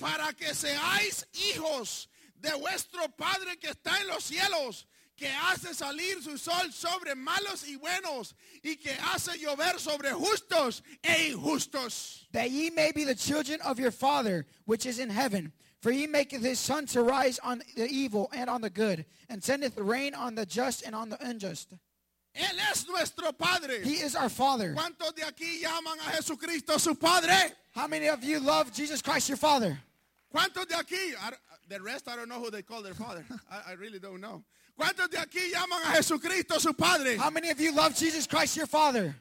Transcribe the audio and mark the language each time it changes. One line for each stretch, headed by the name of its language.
Spanish: Para que seáis hijos de vuestro Padre que está en los cielos, que hace salir su sol sobre malos y buenos, y que hace llover sobre justos e injustos.
English: That ye may be the children of your Father, which is in heaven. For he maketh his sun to rise on the evil and on the good, and sendeth rain on the just and on the unjust.
Spanish: Él es nuestro Padre.
English: He is our Father.
Spanish: ¿Cuántos de aquí llaman a Jesucristo su Padre?
English: How many of you love Jesus Christ your Father?
Spanish: ¿Cuántos de aquí?
English: The rest, I don't know who they call their Father. I really don't know.
Spanish: ¿Cuántos de aquí llaman a Jesucristo su padre?
English: How many of you love Jesus Christ your Father?